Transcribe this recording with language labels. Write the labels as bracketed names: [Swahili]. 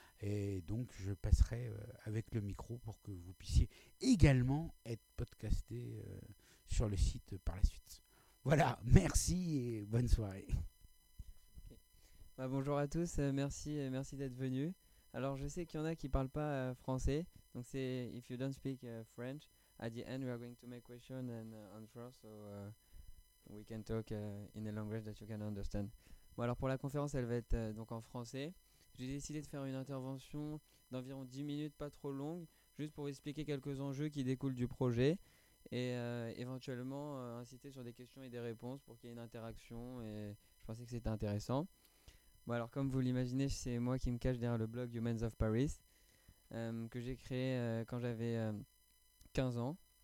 [French] Et donc, je passerai avec le micro pour que vous puissiez également être podcasté sur le site par la suite. Voilà, merci et bonne soirée. Bah, bonjour à tous, merci d'être venus. Alors, je sais qu'il y en a qui ne parlent pas français. Donc, c'est [English] if you don't speak French, at the end, we are going to make questions and answers so we can talk in a language that you can understand. [French] Bon, alors, pour la conférence, elle va être donc en français. J'ai décidé de faire une intervention d'environ 10 minutes, pas trop longue, juste pour vous expliquer quelques enjeux qui découlent du projet et éventuellement insister sur des questions et des réponses pour qu'il y ait une interaction. Et je pensais que c'était intéressant. Bon, alors, comme vous l'imaginez, c'est moi qui me cache derrière le blog Humans of Paris, que j'ai créé quand j'avais 15 ans.